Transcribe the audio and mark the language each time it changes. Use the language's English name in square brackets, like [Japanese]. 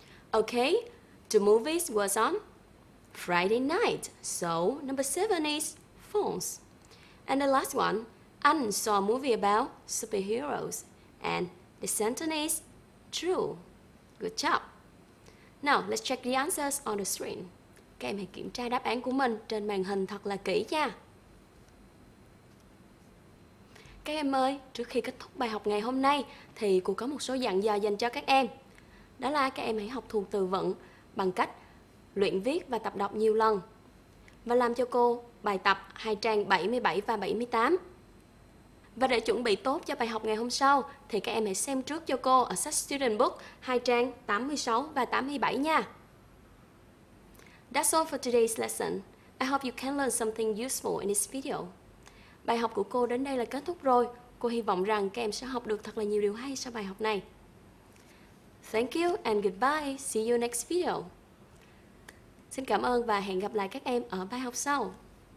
[English] Okay, the movies was on Friday night, so number 7 is Phones. And the last one, An saw a movie about superheroes, and the sentence is true. Good job. Now, let's check the answers on the screen. [Vietnamese] Các em hãy kiểm tra đáp án của mình trên màn hình thật là kỹ nha. Các em ơi, trước khi kết thúc bài học ngày hôm nay thì cô có một số dặn dò dành cho các em. Đó là các em hãy học thuộc từ vựng bằng cách luyện viết và tập đọc nhiều lần. Và làm cho cô bài tập hai trang 77 và 78. Và để chuẩn bị tốt cho bài học ngày hôm sau thì các em hãy xem trước cho cô ở sách Student Book hai trang 86 và 87 nha. [English] That's all for today's lesson. I hope you can learn something useful in this video. [Vietnamese] Bài học của cô đến đây là kết thúc rồi. Cô hy vọng rằng các em sẽ học được thật là nhiều điều hay sau bài học này. [English] Thank you and goodbye. See you next video. [Vietnamese] Xin cảm ơn và hẹn gặp lại các em ở bài học sau.